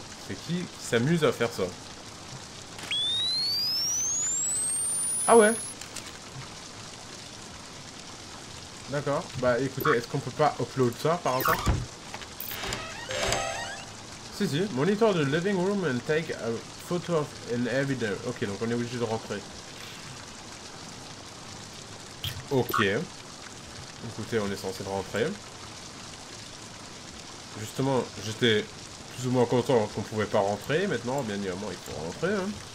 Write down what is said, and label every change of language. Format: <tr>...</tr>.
<fr>Et qui s'amuse à faire ça? Ah ouais? D'accord. Bah écoutez, est-ce qu'on peut pas upload ça par hasard? Si si.</fr> <en>Monitor the living room and take a photo of an evidence.</en> <fr>Ok, donc on est obligé de rentrer. Ok. Écoutez, on est censé rentrer. Justement, j'étais... plus ou moins content qu'on pouvait pas rentrer. Maintenant bien évidemment il faut rentrer hein.</fr>